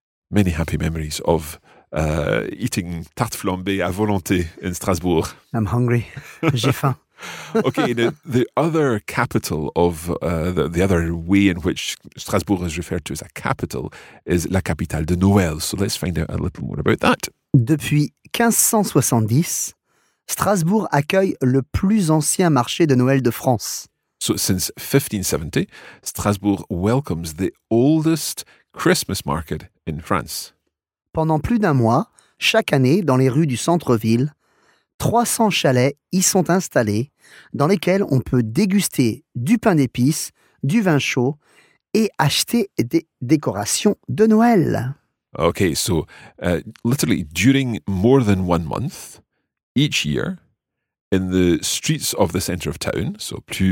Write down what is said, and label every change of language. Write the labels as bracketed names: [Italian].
[English] Many happy memories of eating tarte flambée à volonté in Strasbourg. I'm hungry. [French] J'ai faim. [English] Okay, the other capital of the other way in which Strasbourg is referred to as a capital is [French] la capitale de Noël. [English] So let's find out a little more about that. [French] Depuis 1570, Strasbourg accueille le plus ancien marché de Noël de France. [English] So since 1570, Strasbourg welcomes the oldest Christmas market in France. [French] Pendant plus d'un mois, chaque année, dans les rues du centre-ville, 300 chalets y sont installés, dans lesquels on peut déguster du pain d'épices, du vin chaud et acheter des décorations de Noël. [English] Okay, so literally during more than 1 month, each year, in the streets of the center of town, so